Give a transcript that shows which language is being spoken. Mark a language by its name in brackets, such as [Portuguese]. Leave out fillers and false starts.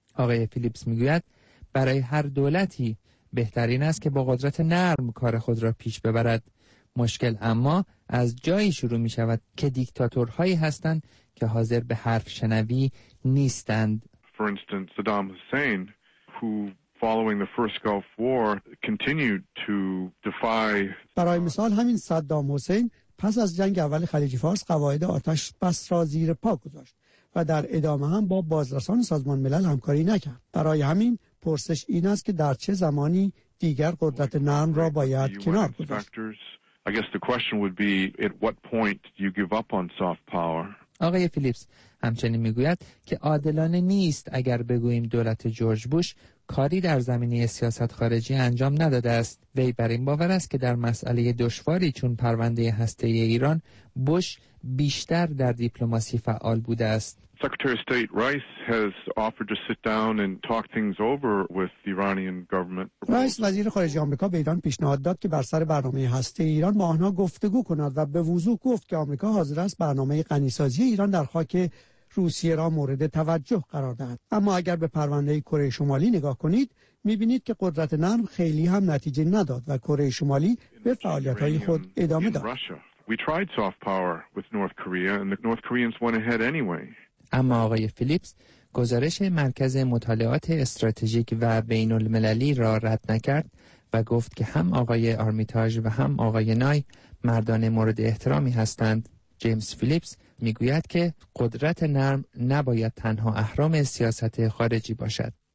[Persian] آقای فیلیپس میگوید برای هر دولتی بهترین است که با قدرت نرم کار خود را پیش ببرد. مشکل اما از جایی شروع می‌شود که دیکتاتورهایی هستند که حاضر به حرف شنوی نیستند. [English] For instance, Saddam Hussein, who following the first Gulf War continued to defy. [Persian] برای مثال همین صدام حسین پس از جنگ اول خلیج فارس قواعد آتش بس را زیر پا گذاشت و در ادامه هم با بازرسان سازمان ملل همکاری نکرد. برای همین پرسش این است که در چه زمانی دیگر قدرت نرم را باید کنار گذاشت. [English] I guess the question would be at what point do you give up on soft power? [Persian] آقای فیلیپس همچنین میگوید که عادلانه نیست اگر بگوییم دولت جورج بوش کاری در زمینه سیاست خارجی انجام نداده است. وی بر این باور است که در مسئله دشواری چون پرونده هسته‌ای ایران بوش بیشتر در دیپلماسی فعال بوده است. [English] Secretary of State Rice has offered to sit down and talk things over with the Iranian government. [Persian] رئیس وزیر خارجه آمریکا به ایران پیشنهاد داد که بر سر برنامه هسته‌ای ایران با آنها گفتگو کند و به وضوح گفت که آمریکا حاضر است برنامه غنی‌سازی ایران در خاک روسیه را مورد توجه قرار دهد. اما اگر به پرونده کره شمالی نگاه کنید، می‌بینید که قدرت نرم خیلی هم نتیجه نداد و کره شمالی به فعالیت‌های خود ادامه داد. [English] We tried soft power with North Korea and the North Koreans went ahead anyway. [Persian] اما آقای فیلیپس گزارش مرکز مطالعات استراتژیک و بین المللی را رد نکرد و گفت که هم آقای آرمیتاژ و هم آقای نای مردان مورد احترامی هستند. جیمز فیلیپس میگوید که قدرت نرم نباید تنها اهرام سیاست خارجی باشد.